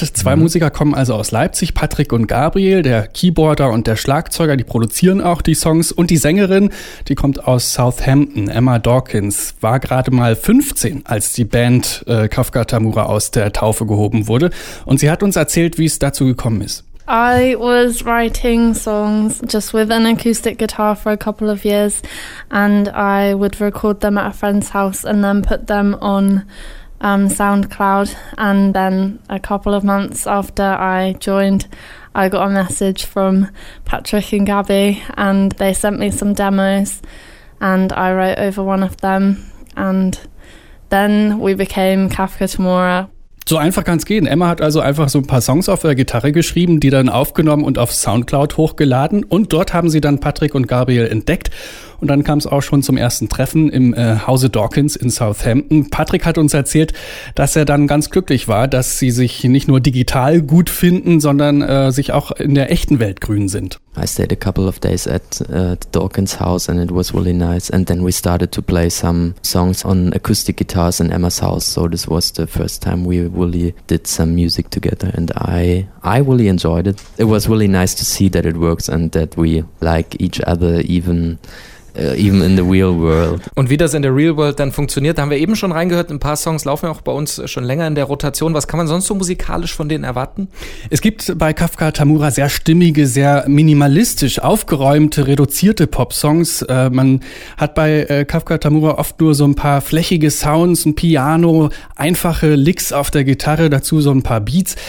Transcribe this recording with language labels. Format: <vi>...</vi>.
<de>Zwei Musiker kommen also aus Leipzig, Patrick und Gabriel, der Keyboarder und der Schlagzeuger, die produzieren auch die Songs. Und die Sängerin, die kommt aus Southampton, Emma Dawkins, war gerade mal 15, als die Band Kafka Tamura aus der Taufe gehoben wurde. Und sie hat uns erzählt, wie es dazu gekommen ist.</de> <en>I was writing songs just with an acoustic guitar for a couple of years and I would record them at a friend's house and then put them on SoundCloud and then a couple of months after I joined I got a message from Patrick and Gabby and they sent me some demos and I wrote over one of them and then we became Kafka Tamura.</en> <de>So einfach kann es gehen. Emma hat also einfach so ein paar Songs auf ihrer Gitarre geschrieben, die dann aufgenommen und auf SoundCloud hochgeladen. Und dort haben sie dann Patrick und Gabriel entdeckt. Und dann kam es auch schon zum ersten Treffen im Hause Dawkins in Southampton. Patrick hat uns erzählt, dass er dann ganz glücklich war, dass sie sich nicht nur digital gut finden, sondern sich auch in der echten Welt grün sind.</de> <en>I stayed a couple of days at the Dawkins house and it was really nice. And then we started to play some songs on acoustic guitars in Emma's house. So this was the first time we really did some music together. And I really enjoyed it. It was really nice to see that it works and that we like each other even in the real world.</en> <de>Und wie das in der Real World dann funktioniert, da haben wir eben schon reingehört, ein paar Songs laufen ja auch bei uns schon länger in der Rotation. Was kann man sonst so musikalisch von denen erwarten? Es gibt bei Kafka Tamura sehr stimmige, sehr minimalistisch aufgeräumte, reduzierte Popsongs. Man hat bei Kafka Tamura oft nur so ein paar flächige Sounds, ein Piano, einfache Licks auf der Gitarre, dazu so ein paar Beats.</de>